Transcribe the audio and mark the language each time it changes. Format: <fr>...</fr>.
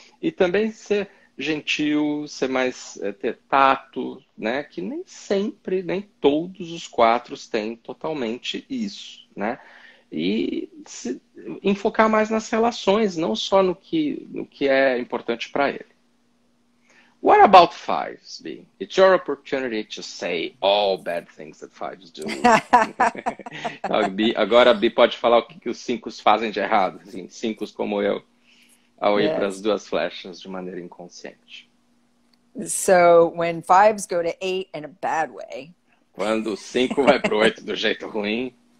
<pt>E também ser gentil, ser mais ter tato, né? Que nem sempre, nem todos os 4s têm totalmente isso, né? E se enfocar mais nas relações, não só no que é importante para ele.</pt> <en>What about fives, B? It's your opportunity to say all bad things that fives do.</en> <pt>Então, B, agora a B pode falar o que os 5s fazem de errado, assim, 5s como eu, ao ir para as duas flechas de maneira inconsciente.</pt> <en>So, when fives go to 8 in a bad way.</en> <pt>Quando o 5 vai para o 8 do jeito ruim.</pt>